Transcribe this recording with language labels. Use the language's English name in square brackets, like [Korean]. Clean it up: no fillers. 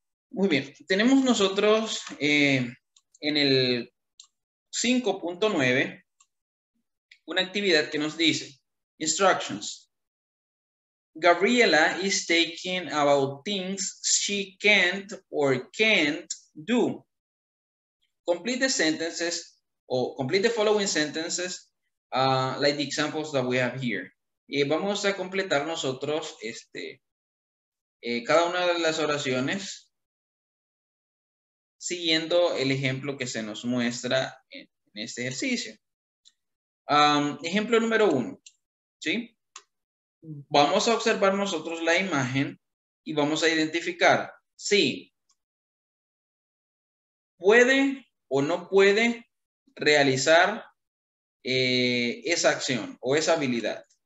[Spanish] Muy bien, tenemos nosotros en el 5.9 una actividad que nos dice, instructions. [English] Gabriela is taking about things she can't or can't do. Complete the sentences or complete the following sentences like the examples that we have here. [Spanish] Vamos a completar nosotros cada una de las oraciones siguiendo el ejemplo que se nos muestra en este ejercicio. Ejemplo número uno, ¿sí? Vamos a observar nosotros la imagen y vamos a identificar si puede o no puede realizar esa acción o esa habilidad.